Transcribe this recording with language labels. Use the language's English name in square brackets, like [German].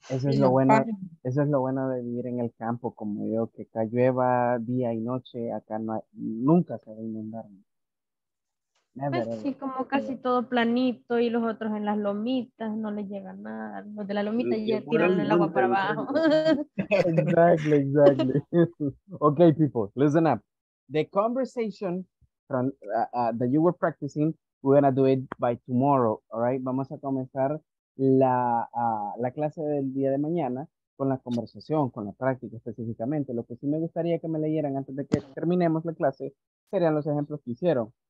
[Spanish] Eso es lo bueno de vivir en el campo, como yo, que acá llueva día y noche, acá no hay, nunca se va a inundar. Sí, como casi todo planito y los otros en las lomitas, no les llega nada. Los de la lomita ya tiran el agua para abajo. [English] Exactly. Okay, people, listen up. The conversation from that you were practicing, we're going to do it by tomorrow, all right? [Spanish] Vamos a comenzar la clase del día de mañana con la conversación, con la práctica específicamente. Lo que sí me gustaría que me leyeran antes de que terminemos la clase serían los ejemplos que hicieron.